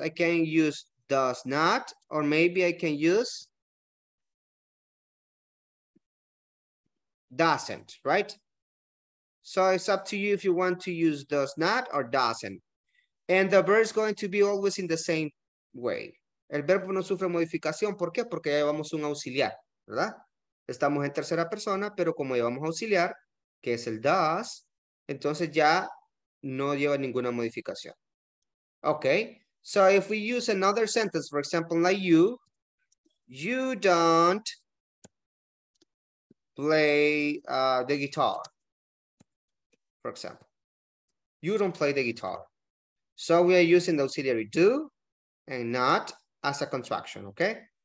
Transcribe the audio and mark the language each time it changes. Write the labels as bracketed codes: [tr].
[en] I can use does not, or maybe I can use doesn't, right? So it's up to you if you want to use does not or doesn't. And the verb is going to be always in the same way. [es] El verbo no sufre modificación. ¿Por qué? Porque ya llevamos un auxiliar, ¿verdad? Estamos en tercera persona, pero como llevamos auxiliar, que es el does, entonces ya no lleva ninguna modificación. [en] Okay. So if we use another sentence, for example, like you, you don't play the guitar, for example. You don't play the guitar. So we are using the auxiliary do and not as a contraction, okay?